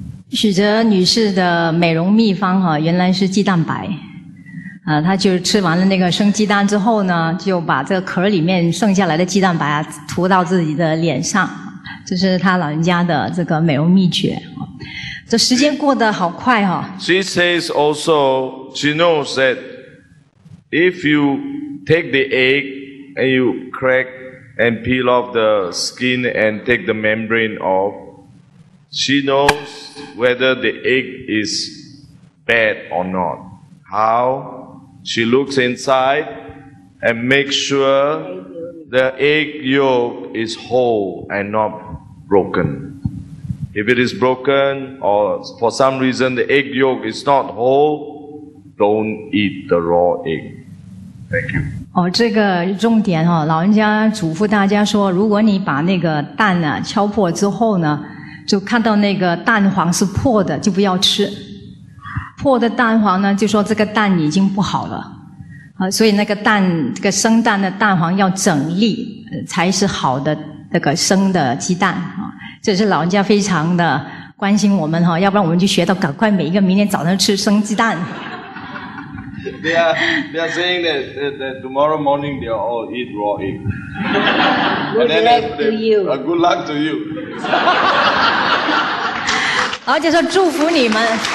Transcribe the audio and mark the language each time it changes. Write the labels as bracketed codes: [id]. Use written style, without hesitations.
[zh] 许哲女士的美容秘方哈，原来是鸡蛋白。她就吃完了那个生鸡蛋之后呢，就把这个壳里面剩下来的鸡蛋白啊涂到自己的脸上，这是她老人家的这个美容秘诀。这时间过得好快哈。 [en] She says also, she knows that if you take the egg and you crack and peel off the skin and take the membrane off. She knows whether the egg is bad or not. How? She looks inside and makes sure the egg yolk is whole and not broken. If it is broken or for some reason the egg yolk is not whole, don't eat the raw egg. Thank you. [zh] 哦，这个重点哦，老人家嘱咐大家说，如果你把那个蛋呢敲破之后呢。就看到那个蛋黄是破的就不要吃，破的蛋黄呢就说这个蛋已经不好了，所以那个蛋这个生蛋的蛋黄要整粒才是好的，那个生的鸡蛋这是老人家非常的关心我们，要不然我们就学到赶快每一个明天早上吃生鸡蛋。 [en] They are saying that tomorrow morning they are all eat raw egg. Good luck to you. [zh] 而且说祝福你们。